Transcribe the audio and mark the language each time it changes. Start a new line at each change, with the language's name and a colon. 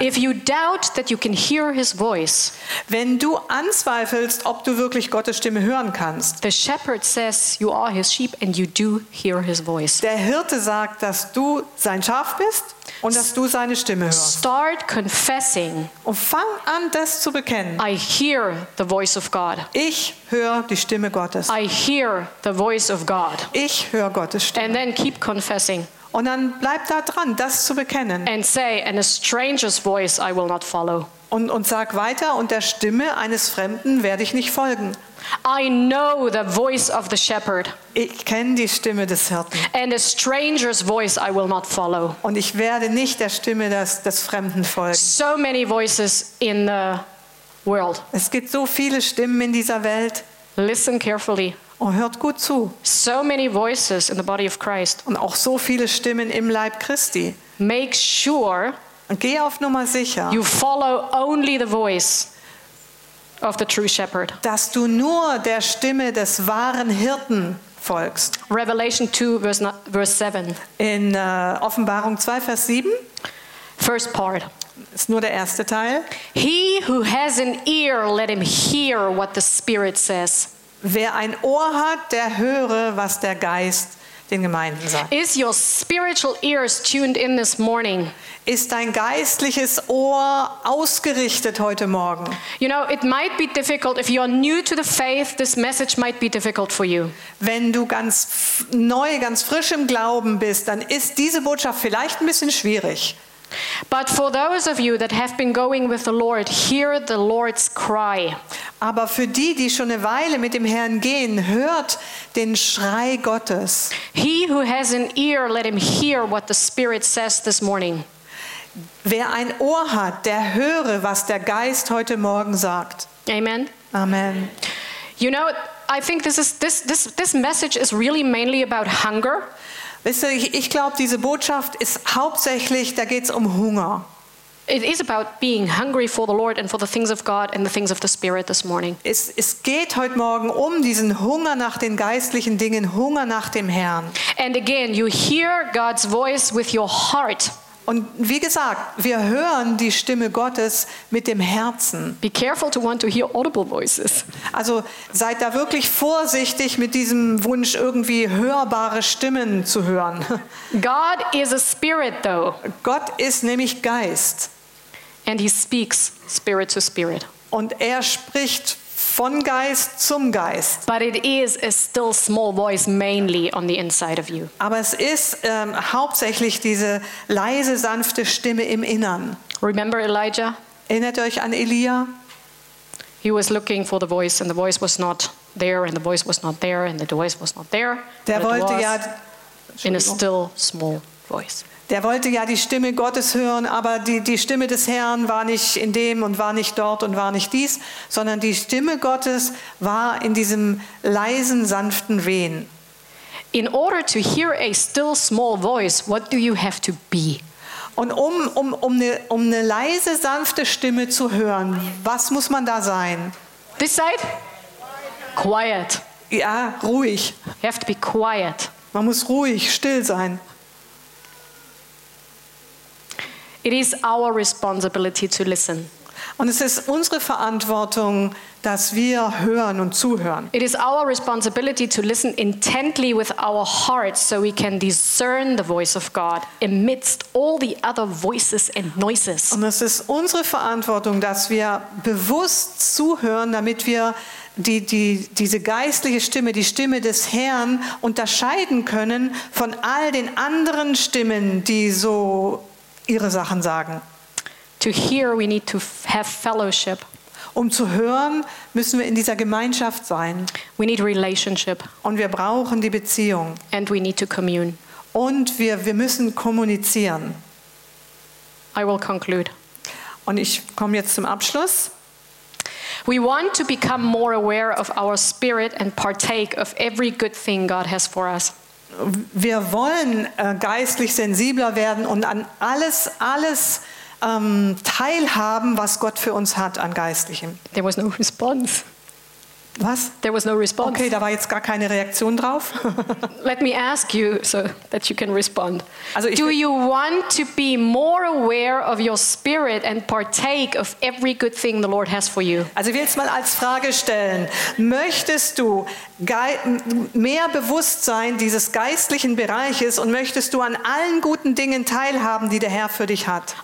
English: If you doubt that you can hear his voice.
German: Wenn du anzweifelst, ob du wirklich Gottes Stimme hören kannst.
English: The shepherd says you are his sheep and you do hear his voice.
German: Der Hirte sagt, dass du sein Schaf bist und dass du seine Stimme hörst.
English: Start confessing.
German: Und fang an, das zu bekennen.
English: I hear the voice of God.
German: Ich höre die Stimme Gottes.
English: I hear the voice of God.
German: Ich höre Gottes Stimme.
English: And then keep confessing.
German: Und dann bleib da dran, das zu bekennen.
English: And say, and a stranger's voice I will not follow.
German: Und sag weiter, und der Stimme eines Fremden werde ich nicht folgen.
English: I know the voice of the shepherd.
German: Ich kenne die Stimme des Hirten.
English: And a stranger's voice I will not follow.
German: Und ich werde nicht der Stimme des Fremden folgen.
English: So many voices in the world.
German: Es gibt so viele Stimmen in dieser Welt.
English: Listen carefully.
German: Und hört gut zu.
English: So many voices in the body of Christ.
German: Und auch so viele Stimmen im Leib Christi.
English: Make sure.
German: Und geh auf Nummer sicher.
English: You follow only the voice of the true shepherd.
German: Dass du nur der Stimme des wahren Hirten folgst.
English: Revelation 2:7.
German: In Offenbarung 2, Vers 7.
English: First part.
German: Ist nur der erste Teil.
English: He who has an ear, let him hear what the Spirit says.
German: Wer ein Ohr hat, der höre, was der Geist den Gemeinden sagt.
English: Is your spiritual ears tuned in this morning?
German: Ist dein geistliches Ohr ausgerichtet heute Morgen?
English: You know, it might be difficult if you are new to the faith. This message might be difficult for you.
German: Wenn du ganz neu, ganz frisch im Glauben bist, dann ist diese Botschaft vielleicht ein bisschen schwierig.
English: But for those of you that have been going with the Lord, hear the Lord's cry.
German: Aber für die, die schon eine Weile mit dem Herrn gehen, hört den Schrei Gottes.
English: He who has an ear, let him hear what the Spirit says this morning.
German: Wer ein Ohr hat, der höre, was der Geist heute Morgen sagt.
English: Amen.
German: Amen.
English: You know, I think this message is really mainly about hunger.
German: Wisst ihr, ich glaube, diese Botschaft ist hauptsächlich, da geht's um Hunger.
English: It is about being hungry for the Lord and for the things of God and the things of the Spirit this morning.
German: Es geht heute Morgen um diesen Hunger nach den geistlichen Dingen, Hunger nach dem Herrn.
English: And again, you hear God's voice with your heart.
German: Und wie gesagt, wir hören die Stimme Gottes mit dem Herzen.
English: Be careful to want to hear audible voices.
German: Also seid da wirklich vorsichtig mit diesem Wunsch, irgendwie hörbare Stimmen zu hören.
English: God is a spirit, though.
German: Gott ist nämlich Geist.
English: And he speaks spirit to spirit.
German: Und er spricht von Geist zum Geist.
English: But it is a still small voice mainly on the inside of you.
German: Aber es ist hauptsächlich diese leise, sanfte Stimme im Innern.
English: Remember Elijah?
German: Erinnert euch an Elia?
English: He was looking for the voice and the voice was not there and the voice was not there and the voice was not there.
German: Der wollte ja
English: in a still small voice.
German: Der wollte ja die Stimme Gottes hören, aber die Stimme des Herrn war nicht in dem und war nicht dort und war nicht dies, sondern die Stimme Gottes war in diesem leisen, sanften Wehen.
English: In order to hear a still small voice, what do you have to be?
German: Und um eine leise, sanfte Stimme zu hören, was muss man da sein?
English: This side? Quiet.
German: Ja, ruhig.
English: You have to be quiet.
German: Man muss ruhig, still sein.
English: It is our responsibility to listen.
German: Und es ist unsere Verantwortung dass wir hören und zuhören.
English: It is our responsibility to listen intently with our hearts so we can discern the voice of God amidst all the other voices and noises.
German: Und es ist unsere Verantwortung, dass wir bewusst zuhören, damit wir diese geistliche Stimme, die Stimme des Herrn, unterscheiden können von all den anderen Stimmen, die so ihre Sachen sagen.
English: To hear, we need to have fellowship.
German: Um zu hören, müssen wir in dieser Gemeinschaft sein.
English: We need relationship.
German: Und wir brauchen die Beziehung.
English: And we need to commune.
German: Und wir müssen kommunizieren.
English: I will conclude.
German: Und ich komme jetzt zum Abschluss.
English: We want to become more aware of our spirit and partake of every good thing God has for us.
German: Wir wollen geistlich sensibler werden und an alles teilhaben, was Gott für uns hat an Geistlichem.
English: There was no response.
German: Was?
English: There was no response.
German: Okay, da war jetzt gar keine Reaktion drauf.
English: Let me ask you so that you can respond.
German: Also
English: do you want to be more aware of your spirit and partake of every good thing the Lord has for you?
German: Also ich will jetzt mal als Frage stellen, möchtest du mehr Bewusstsein dieses geistlichen Bereiches und möchtest du an allen guten Dingen teilhaben, die der Herr für dich hat?